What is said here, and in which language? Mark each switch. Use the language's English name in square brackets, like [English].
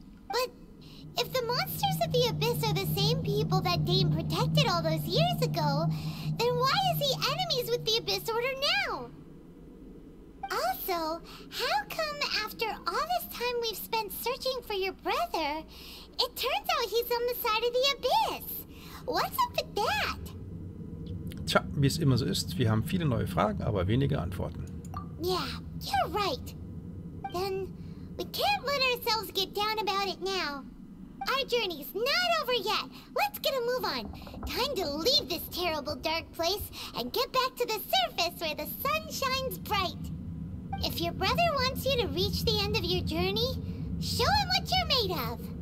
[English] But if the monsters of the Abyss are the same people that Dain protected all those years ago, then why is he enemies with the Abyss Order now? Also, how come after all this time we've spent searching for your brother, it turns out he's on the side of the Abyss? What's up with that? [German] Tja, wie es immer so ist, wir haben viele neue Fragen, aber wenige Antworten. [English] Yeah, you're right. Then, we can't let ourselves get down about it now. Our journey's not over yet. Let's get a move on. Time to leave this terrible dark place and get back to the surface where the sun shines bright. If your brother wants you to reach the end of your journey, show him what you're made of.